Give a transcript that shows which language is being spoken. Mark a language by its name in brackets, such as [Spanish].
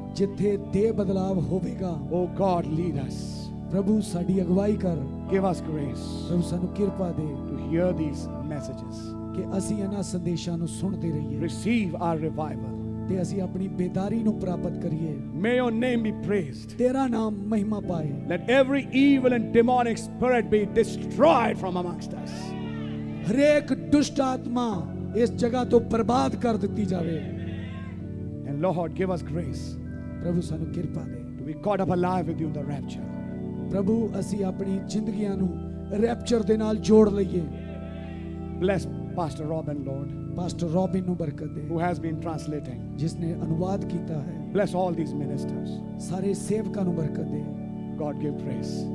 [Punjabi] जिथे देह बदलाव होवेगा, [English] O God lead us, [Punjabi] प्रभु साड़ी अगवाई कर, [English] Give us grace, [Punjabi] प्रभु सानू कृपा दे, [English] to hear these messages, [Punjabi] के असी अना संदेशा नू सुनते रहिए, [English] Receive our revival, [Punjabi] ते असी अपनी बेदारी नू प्राप्त करिए, [English] May your name be praised, [Punjabi] तेरा नाम महिमा पाए, [English] Let every evil and demonic spirit be destroyed from amongst us, [Punjabi] हरेक दुष्ट आत्मा इस जगह तो बर्बाद कर दिती जावे, [English] And Lord, give us grace, [Punjabi] प्रभु सानू कृपा दे, [English] to be caught up alive with you in the rapture. [Punjabi] प्रभु असी अपनी जिंदगियां नू रैप्चर दे नाल जोड़ लईए, [English] bless pastor Robin lord, [Punjabi] pastor robin नू बरकत दे, [English] who has been translating, [Punjabi] जिसने अनुवाद कीता है, [English] bless all these ministers, [Punjabi] सारे सेवकां नू बरकत दे, [English] God give praise,